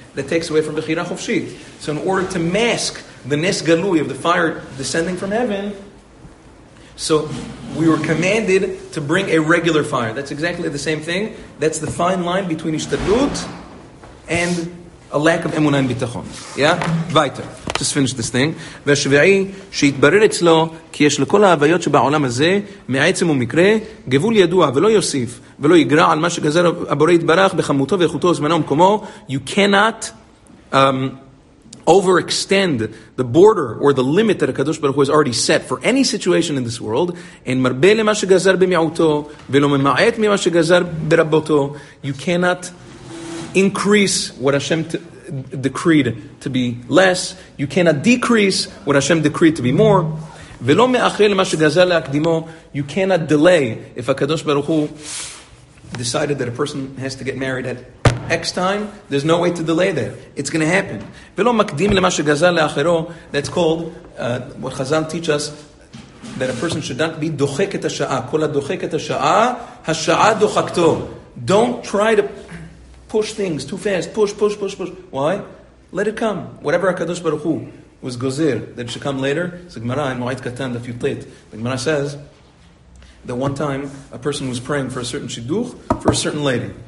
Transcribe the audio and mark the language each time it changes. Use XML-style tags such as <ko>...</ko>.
<en>That takes away from Bechira Chofshit. So in order to mask the nes galui of the fire descending from heaven, so we were commanded to bring a regular fire. That's exactly the same thing. That's the fine line between ishtadlut and a lack of emunah and bitachon. Yeah? Vaita. Just finish this thing.</en> <he>והשביעי שיתברר אצלו כי יש לכל ההוויות שבעולם הזה מעצם ומקרה גבול ידוע ולא יוסיף ולא יגרע על מה שגזר הבורא יתברך בחמותו ואיכותו זמנו ומקומו.</he> <en>You cannot overextend the border or the limit that HaKadosh Baruch Hu has already set for any situation in this world.</en> <he>אין מרבה למה שגזר במיעוטו ולא ממעט ממה שגזר ברבותו.</he> <en>You cannot increase what Hashem decreed to be less. You cannot decrease what Hashem decreed to be more.</en> <he>ולא מאחר למה שגזר להקדימו.</he> <en>You cannot delay. If HaKadosh Baruch Hu decided that a person has to get married at X time, there's no way to delay that. It's going to happen.</en> <he>ולא מקדים למה שגזר לאחרו.</he> <en>That's called, what Chazal teach us, that a person should not be</en> <he>דוחק את השעה. כל הדוחק את השעה, השעה דוחקתו.</he> <en>Don't try to push things too fast. Push, push, push, push. Why? Let it come. Whatever HaKadosh Baruch Hu was gozer, that should come later. It's a Gemara in Mo'ed Katan, the Fyutet. The Gemara says that one time a person was praying for a certain shidduch for a certain lady.</en>